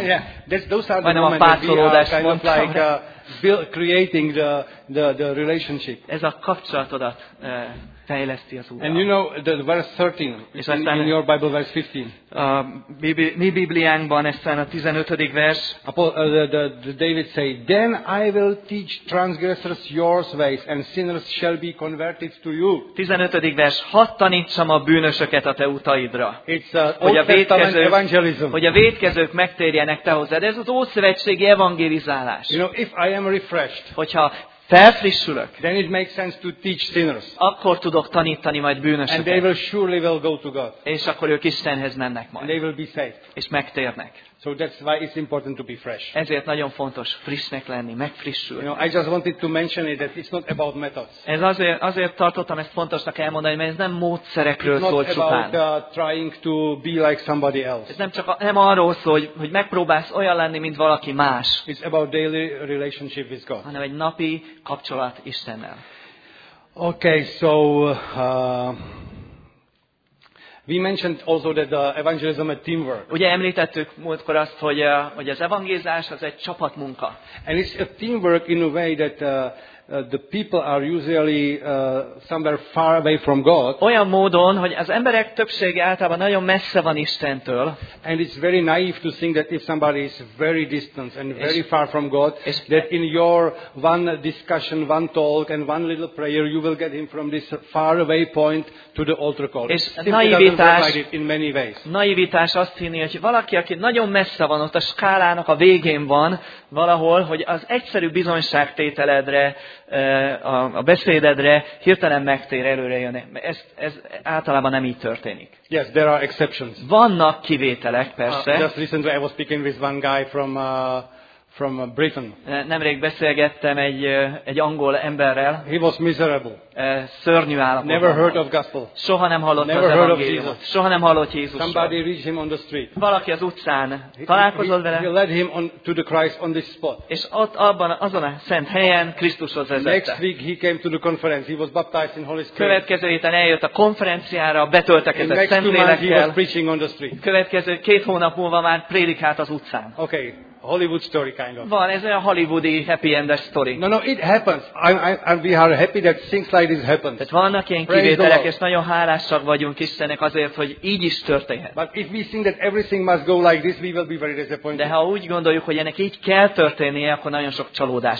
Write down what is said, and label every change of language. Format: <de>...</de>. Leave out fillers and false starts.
<en>Yeah, those are the moments we are kind of like creating the relationship.</en> <hu>Ez a kapcsolatodat fejleszti az Úr.</hu> <en>And you know the verse 13 in your Bible verse 15.</en> <hu>Mi Bibliánkban eszen a 15. vers.</hu> <en>The David said, "Then I will teach transgressors your ways, and sinners shall be converted to you."</en> <hu>15. vers. Hadd tanítsam a bűnösöket a te utaidra.</hu> <en>It's evangelism.</en> <hu>Hogy a vétkezők megtérjenek te hozzád. Ez az ószövetségi evangelizálás.</hu> <en>You know, if I am refreshed.</en> <hu>Hogyha felfrissülök.</hu> <en>Then it makes sense to teach sinners.</en> <hu>Akkor tudok tanítani majd bűnösöket.</hu> <en>And they will surely will go to God.</en> <hu>És akkor ők Istenhez mennek majd.</hu> <en>And they will be saved.</en> <hu>És megtérnek.</hu> <en>So that's why it's important to be fresh.</en> <hu>Ezért nagyon fontos frissnek lenni, megfrissülni.</hu> <en>You know, I just wanted to mention it that it's not about methods.</en> <hu>Ez azért tartottam ezt fontosnak elmondani, mert ez nem módszerekről szól csupán.</hu> <en>It's not about trying to be like somebody else.</en> <hu>Ez nem arról szól, hogy megpróbálsz olyan lenni, mint valaki más.</hu> <en>It's about daily relationship with God.</en> <hu>Hanem egy napi kapcsolat Istennel.</hu> <en>Okay, so we mentioned also that the evangelism is teamwork.</en> <hu>Ugye említettük múltkor azt, hogy hogy az evangélizás az egy csapatmunka.</hu> <en>And it's a teamwork in a way that the people are usually somewhere far away from God.</en> <hu>Olyan módon, hogy az emberek többsége általában nagyon messze van Istentől.</hu> <en>And it's very naive to think that if somebody is very distant and very far from God, that in your one discussion, one talk and one little prayer, you will get him from this far away point to the altar call.</en> <hu>És naivitás,</hu> <en>like in many ways.</en> <hu>Naivitás azt hinni, hogy valaki, aki nagyon messze van, ott a skálának a végén van valahol, hogy az egyszerű bizonyságtételedre, a beszédedre hirtelen megtér, előre jön. Ez általában nem így történik.</hu> <en>Yes, there are exceptions.</en> <hu>Vannak kivételek, persze.</hu> <en>Just recently I was speaking with one guy from Britain.</en> <hu>Nemrég beszélgettem egy angol emberrel.</hu> <en>He was miserable.</en> <hu>Szörnyű állapotban.</hu> <en>Never heard of gospel.</en> <hu>Soha nem hallott</hu> <en>Never</en> <hu>az</hu> <en>heard</en> <hu>evangéliumot.</hu> <en>Of Jesus.</en> <hu>Soha nem hallott Jézusról.</hu> <en>Somebody reached him on the street.</en> <hu>Valaki az utcán találkozott vele.</hu> <en>He led him to the Christ on this spot.</en> <hu>És ott abban azon a szent helyen Krisztushoz vezette.</hu> <en>Next week he came to the conference. He was baptized in Holy Spirit.</en> <hu>Következő héten eljött a konferenciára, betöltekezett Szentlélekkel.</hu> <en>He was preaching on the street.</en> <hu>Következő két hónap múlva már prédikált az utcán.</hu> <en>Okay. Hollywood story kind of.</en> <hu>Van, ez olyan hollywoodi</hu> <en>happy end story. No, it happens. And we are happy that things like this happens.</en> <hu>Tehát vannak ilyen kivételek, és nagyon hálásak vagyunk Istennek azért, hogy így is történhet.</hu> <en>But if we think that everything must go like this, we will be very disappointed.</en> <hu>De ha úgy gondoljuk, hogy ennek így kell történnie, akkor nagyon sok csalódás</hu>